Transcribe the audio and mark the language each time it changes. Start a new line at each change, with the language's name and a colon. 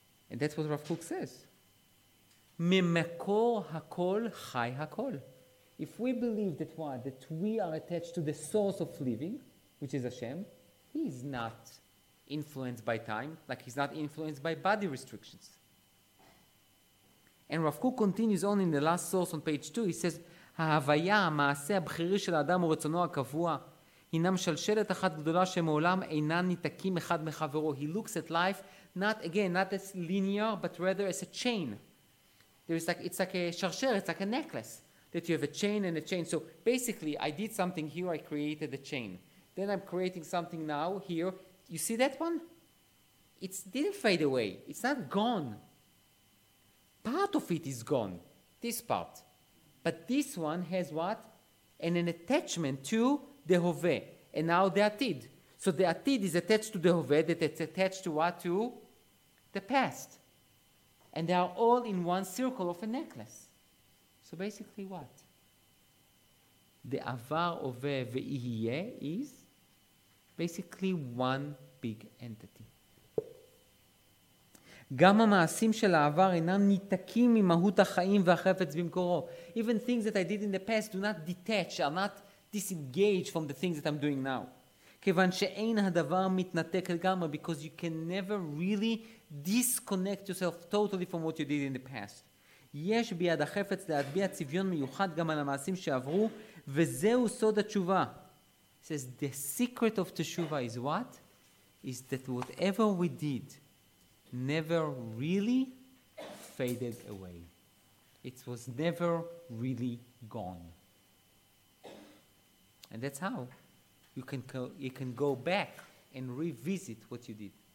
English: And that's what Rav Kook says.
Hebrew: Memekor hakol chai hakol.
English: If we believe that what? That we are attached to the source of living, which is Hashem, he is not influenced by time, like he's not influenced by body restrictions. And Rav Kook continues on in the last source on page 2, he says,
Hebrew: ההוויה, המעשה הבחירי של האדם ורצונו הקבוע, הינם שלשלת אחת גדולה שמעולם אינן ניתקים אחד מחברו.
English: He looks at life, not again, not as linear, but rather as a chain. It's like a שרשרת, it's like a necklace, that you have a chain and a chain. So basically, I did something here, I created a chain. Then I'm creating something now, here. You see that one? It didn't fade away. It's not gone. Part of it is gone. This part. But this one has what? And an attachment to the Hove. And now the Atid. So the Atid is attached to the Hove, that it's attached to what? To the past. And they are all in one circle of a necklace. So basically what? The Avar Hove Ve'ihye is basically one big entity.
Hebrew: גם המעשים של העבר אינם ניתקים ממהות החיים והחפץ במקורו.
English: Even things that I did in the past do not detach, are not disengaged from the things that I'm doing now.
Hebrew: כיוון שאין הדבר מתנתק לגמרי,
English: because you can never really disconnect yourself totally from what you did in the past.
Hebrew: יש ביד החפץ להטביע צביון מיוחד גם על המעשים שעברו, וזהו סוד התשובה.
English: It says, the secret of teshuva is what? Is that whatever we did, never really faded away. It was never really gone. And that's how you can go back and revisit what you did.